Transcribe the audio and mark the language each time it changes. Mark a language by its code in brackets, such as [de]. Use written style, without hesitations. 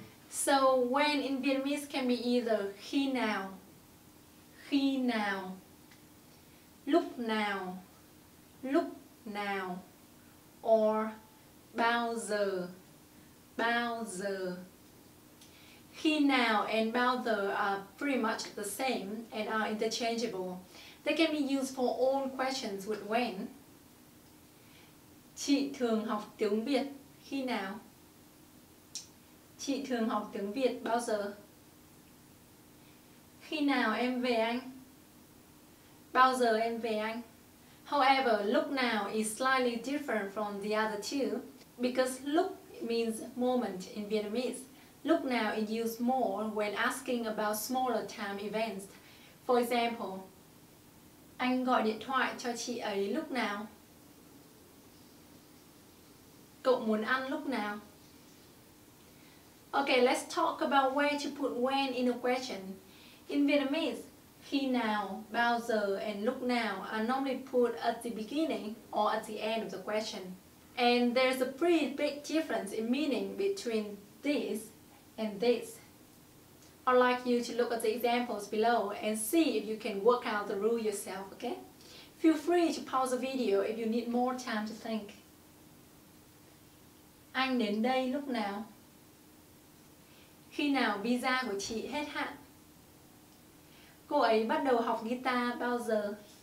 [en] So when in Vietnamese can be either khi nào, lúc nào, or bao giờ. Khi nào and bao giờ are pretty much the same and are interchangeable. They can be used for all questions with when. [vi] Chị thường học tiếng Việt khi nào? Chị thường học tiếng Việt bao giờ? Khi nào em về anh? Bao giờ em về anh? [en] However, lúc nào is slightly different from the other two because lúc means moment in Vietnamese. Lúc nào is used more when asking about smaller time events. For example, [vi] anh gọi điện thoại cho chị ấy lúc nào? Cậu muốn ăn lúc nào? [en] Okay, let's talk about where to put when in a question. In Vietnamese, khi nào, bao giờ, and lúc nào are normally put at the beginning or at the end of the question. And there's a pretty big difference in meaning between this and this. I'd like you to look at the examples below and see if you can work out the rule yourself, okay? Feel free to pause the video if you need more time to think. [vi] Anh đến đây lúc nào? Khi nào visa của chị hết hạn? Cô ấy bắt đầu học guitar bao giờ?